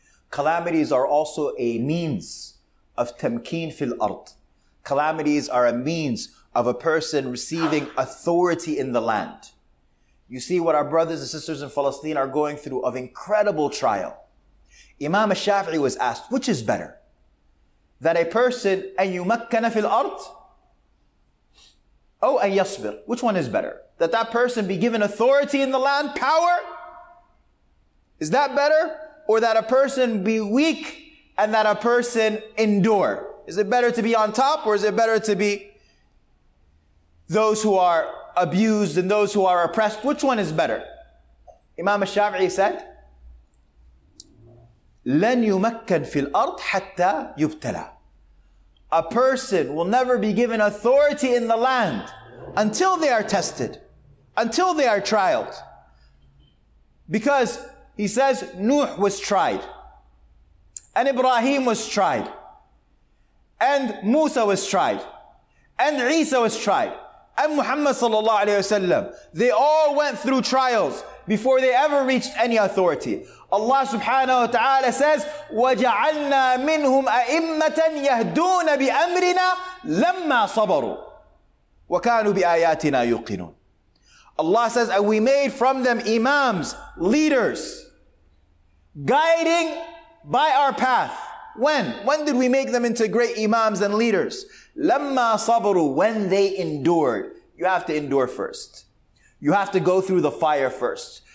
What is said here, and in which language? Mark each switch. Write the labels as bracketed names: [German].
[English] Calamities are also a means of tamkeen fil ard. Calamities are a means of a person receiving authority in the land. You see what our brothers and sisters in Palestine are going through of incredible trial. Imam al-Shafi'i was asked, which is better? That a person, [Arabic] أَن يُمَكَّنَ فِي الْأَرْضِ [English] Oh, [Arabic] أن يصبر. [English] Which one is better? That that person be given authority in the land, power? Is that better? Or that a person be weak and that a person endure? Is it better to be on top or is it better to be those who are abused and those who are oppressed? Which one is better? Imam al-Shafi'i said, [Arabic] لن يمكن في الأرض حتى يبتلى. [English] A person will never be given authority in the land until they are tested, until they are trialed. Because he says, Nuh was tried, and Ibrahim was tried, and Musa was tried, and Isa was tried, and Muhammad sallallahu alayhi wasallam. They all went through trials before they ever reached any authority. Allah subhanahu wa ta'ala says, [Arabic] وَجَعَلْنَا مِنْهُمْ أَئِمَّةً يَهْدُونَ بِأَمْرِنَا لَمَّا صَبَرُوا وَكَانُوا بِآيَاتِنَا يُقِنُونَ. [English] Allah says, and we made from them imams, leaders, guiding by our path. When did we make them into great imams and leaders? [Arabic] لَمَّا صَبَرُوا, [English] when they endured. You have to endure first. You have to go through the fire first.